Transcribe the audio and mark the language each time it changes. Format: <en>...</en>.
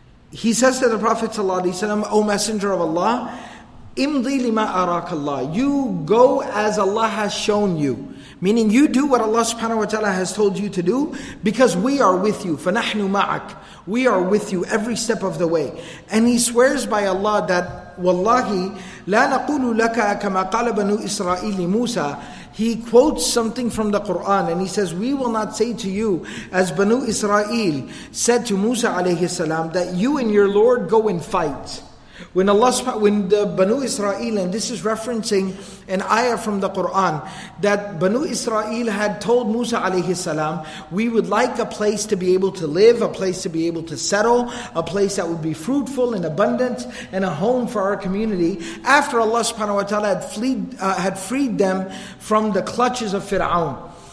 <en>He says to the Prophet صلى الله عليه وسلم, O Messenger of Allah,</en> <ar>Imdi lima arakallah.</ar> <en>You go as Allah has shown you. Meaning you do what Allah subhanahu wa ta'ala has told you to do, because we are with you.</en> <ar>فَنَحْنُ مَعَكْ.</ar> <en>We are with you every step of the way. And he swears by Allah that,</en> <ar>وَاللَّهِ لَا نَقُولُ لَكَ كَمَا قَالَ بَنُوا إِسْرَائِيلِ لِمُوسَى.</ar> <en>He quotes something from the Quran and he says, we will not say to you, as Banu Israel said to Musa alayhi salam, that you and your Lord go and fight. When Allah, when the Banu Israel, and this is referencing an ayah from the Quran, that Banu Israel had told Musa alayhi salam, we would like a place to be able to live, a place to be able to settle, a place that would be fruitful and abundant, and a home for our community, after Allah subhanahu wa ta'ala had freed them from the clutches of Fir'aun.</en>